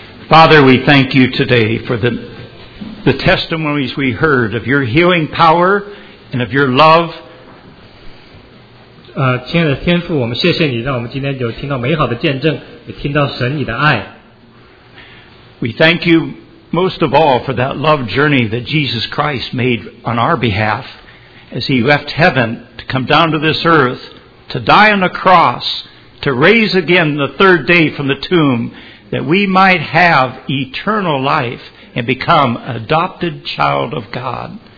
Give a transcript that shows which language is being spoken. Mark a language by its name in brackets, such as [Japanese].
[English] Father, we thank you today for the testimonies we heard of your healing power and of your love. [Chinese] 亲爱的天父，我们谢谢你，让我们今天就听到美好的见证，也听到神你的爱。 [English] We thank you most of all for that love journey that Jesus Christ made on our behalf as He left heaven to come down to this earth to die on a cross, to raise again the third day from the tomb, that we might have eternal life and become an adopted child of God.